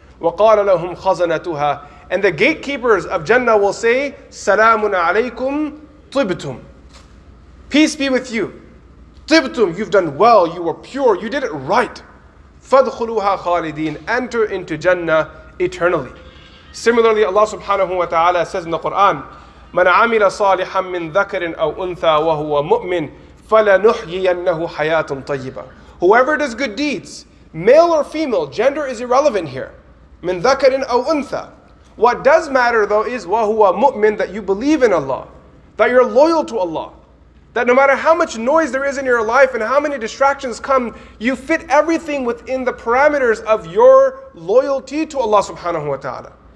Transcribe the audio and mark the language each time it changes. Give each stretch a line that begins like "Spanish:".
Arabic: وَقَالَ لَهُمْ خَزَنَتُهَا
English: And the gatekeepers of Jannah will say,
Arabic: Salamun alaykum tibtum.
English: Peace be with you. Tibtum, you've done well, you were pure, you did it right.
Arabic: فَادْخُلُوهَا خَالِدِينَ
English: Enter into Jannah eternally. Similarly, Allah subhanahu wa ta'ala says in the Quran,
Arabic: مَنْ عَمِلَ صَالِحًا مِّنْ ذَكَرٍ أَوْ أُنْثَى وَهُوَ مُؤْمِنٍ فَلَنُحْيِيَنَّهُ حَيَاةٌ طَيِّبًا.
English: Whoever does good deeds, male or female, gender is irrelevant here.
Arabic: مِنْ ذَكَرٍ أَوْ أُنْثَى.
English: What does matter though is
Arabic: وَهُوَ مُؤْمِنٍ,
English: that you believe in Allah, that you're loyal to Allah, that no matter how much noise there is in your life and how many distractions come, you fit everything within the parameters of your loyalty to Allah subhanahu wa ta'ala.